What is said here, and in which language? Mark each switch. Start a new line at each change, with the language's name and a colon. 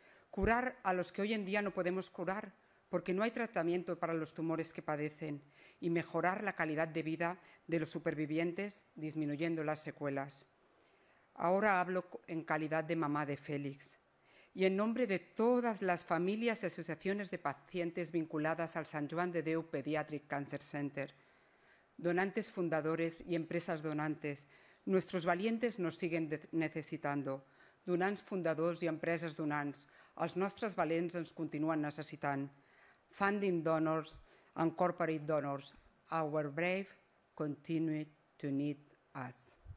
Spanish: Curar a los que hoy en día no podemos curar porque no hay tratamiento para los tumores que padecen y mejorar la calidad de vida de los supervivientes disminuyendo las secuelas. Ahora hablo en calidad de mamá de Félix. y en nombre de todas las familias y asociaciones de pacientes vinculadas al Sant Joan de Déu Pediatric Cancer Center, donantes fundadores y empresas donantes, nuestros valientes nos siguen necesitando.
Catalan: Donants fundadors i empreses donants, els nostres valents ens continuen necessitant.
English: Funding donors and corporate donors, our brave continue to need us.